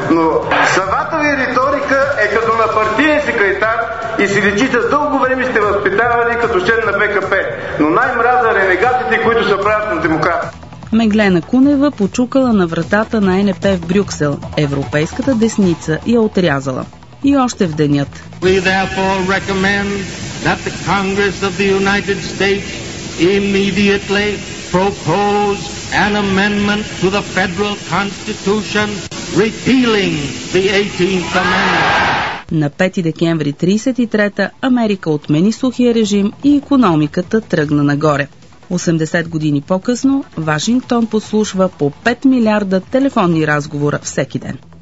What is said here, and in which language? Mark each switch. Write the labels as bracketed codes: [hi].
[bg] Но самата ви риторика е като на партиен секретар и си личите с дълго време сте възпитавали като член на БКП. Но най-мраза ренегатите, които се правят на демократи. Меглена Кунева почукала на вратата на ЕНП в Брюксел. Европейската десница я отрязала. И още в денят. [en] We therefore recommend that the Congress of the United States immediately propose an amendment to the Federal Constitution repealing the 18th Amendment. [bg] На 5 декември 1933 Америка отмени сухия режим и икономиката тръгна нагоре. 80 години по-късно Вашингтон подслушва по 5 милиарда телефонни разговора всеки ден.